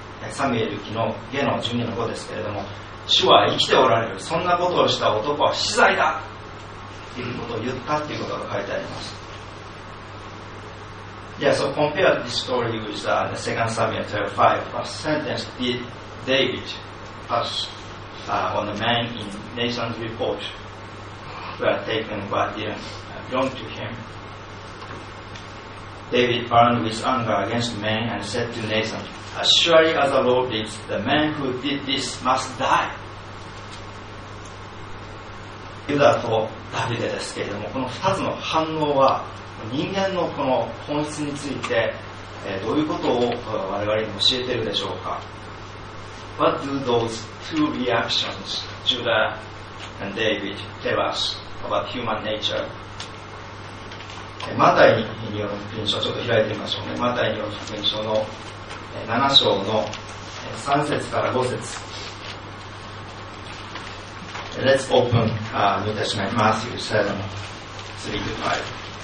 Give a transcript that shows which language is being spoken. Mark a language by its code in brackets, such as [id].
[ja] サムエル記の下の12の5ですけれども、主は生きておられる、そんなことをした男は死罪だということを言ったっていうことが書いてあります。 [en] Yeah, so compare this story with the Second Samuel 12:5. What sentence did David pass on the man in Nathan's report? Who had taken what didn't belong to him? David burned with anger against the man and said to Nathan, "As surely as the Lord lives, the man who did this must die." [ja] ユダとダビデですけれども、この2つの反応は人間のこの本質についてどういうことを我々に教えているでしょうか。 [en] What do those two reactions Judah and David tell us about human nature? [ja] マタイによる福音書、ちょっと開いてみましょうね。マタイによる福音書の7章の3節から5節。 [en] Let's open New Testament, Matthew 7, 3-5.